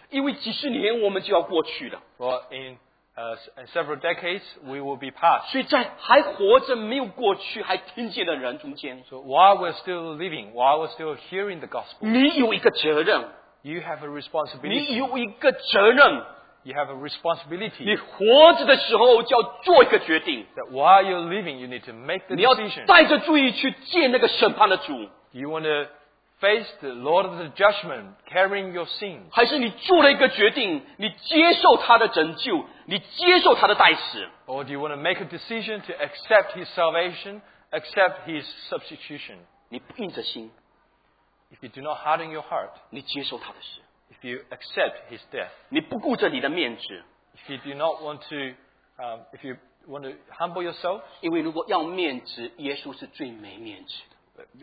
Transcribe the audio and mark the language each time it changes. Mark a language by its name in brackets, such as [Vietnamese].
[Chinese] 因为几十年我们就要过去了。 [English] For in several decades we will be passed. [Chinese] 所以在还活着没有过去还听见的人中间 [English] ，So while we're still living, while we're still hearing the gospel， [Chinese] 你有一个责任。 [English] You have a responsibility. [Chinese] 你有一个责任。 [English] You have a responsibility. [Chinese] 你活着的时候就要做一个决定。 [English] That while you're living, you need to make the decision. [Chinese] 你要带着注意去见那个审判的主。 [English] You want to face the Lord of the judgment, carrying your sins. [Chinese] 还是你做了一个决定，你接受他的拯救，你接受他的代死。 [English] Or do you want to make a decision to accept his salvation, accept his substitution? [Chinese] 你不硬着心。 [English] If you do not harden your heart, [Chinese] 你接受他的死。 [English] If you accept his death, [Chinese] 你不顾着你的面子。 [English] If you do not want to, if you want to humble yourself, [Chinese] 因为如果要面子，耶稣是最没面子的。